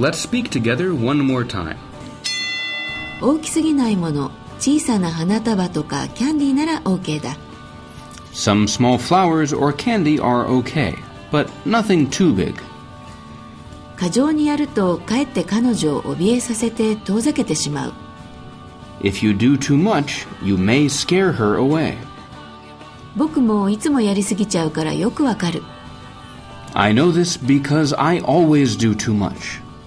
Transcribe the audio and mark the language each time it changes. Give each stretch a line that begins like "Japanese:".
English: Let's speak together one more time.
Japanese: 大きすぎないもの、小さな花束とかキャンディーなら OK だ。
English: Some small flowers or candy are OK, but nothing too big.
Japanese: 過剰にやるとかえって彼女を怯えさせて遠ざけてしまう。
English: If you do too much, you may scare her away.
Japanese: 僕もいつもやりすぎちゃうからよくわかる。
English: I know this because I always do too much.